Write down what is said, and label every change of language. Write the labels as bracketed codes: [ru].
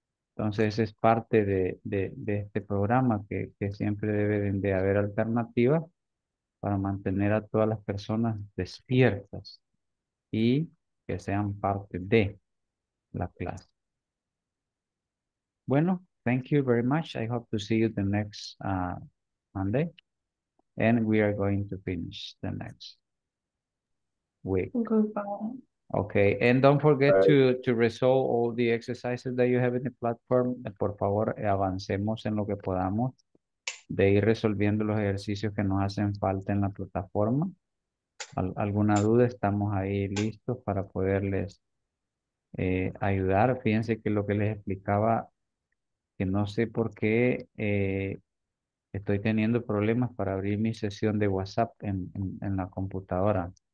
[es] Entonces es parte de este programa que siempre deben de haber alternativas para mantener a todas las personas despiertas y que sean parte de la clase. [en] Bueno, thank you very much. I hope to see you the next Monday. And we are going to finish the next week. Goodbye. Okay, and don't forget to resolve all the exercises that you have in the platform. [es] Por favor, avancemos en lo que podamos de ir resolviendo los ejercicios que nos hacen falta en la plataforma. ¿Alguna duda? Estamos ahí listos para poderles ayudar. Fíjense que lo que les explicaba, que no sé por qué estoy teniendo problemas para abrir mi sesión de WhatsApp en la computadora.